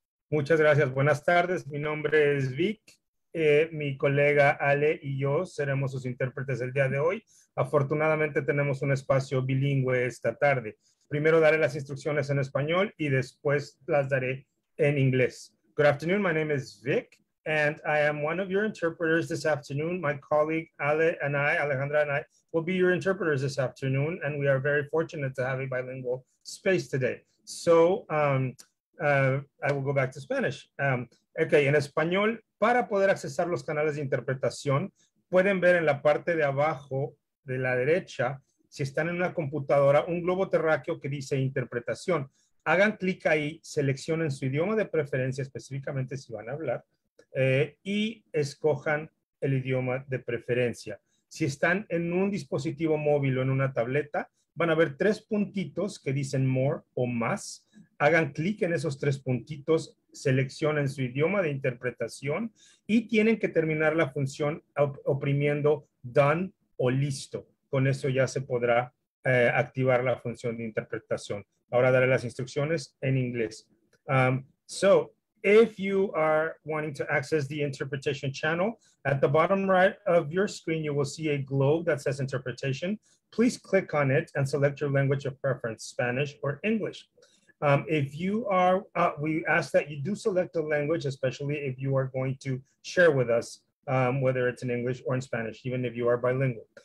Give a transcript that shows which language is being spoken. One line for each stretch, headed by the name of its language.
Spanish: Muchas gracias. Buenas tardes. Mi nombre es Vic. Mi colega Ale y yo seremos sus intérpretes el día de hoy. Afortunadamente tenemos un espacio bilingüe esta tarde. Primero daré las instrucciones en español y después las daré en inglés.
English: Good afternoon. My name is Vic, and I am one of your interpreters this afternoon. My colleague Ale and I, Alejandra and I, will be your interpreters this afternoon, and we are very fortunate to have a bilingual space today. So I will go back to Spanish.
Spanish: Okay, en español, para poder accesar los canales de interpretación, pueden ver en la parte de abajo de la derecha, si están en una computadora, un globo terráqueo que dice interpretación. Hagan clic ahí, seleccionen su idioma de preferencia, específicamente si van a hablar, y escojan el idioma de preferencia. Si están en un dispositivo móvil o en una tableta, van a ver tres puntitos que dicen More o Más. Hagan clic en esos tres puntitos, seleccionen su idioma de interpretación y tienen que terminar la función oprimiendo Done o Listo. Con eso ya se podrá activar la función de interpretación. Ahora daré las instrucciones en inglés.
English: So, if you are wanting to access the interpretation channel, at the bottom right of your screen, you will see a globe that says interpretation. Please click on it and select your language of preference, Spanish or English. If you are, we ask that you do select a language, especially if you are going to share with us, whether it's in English or in Spanish, even if you are bilingual.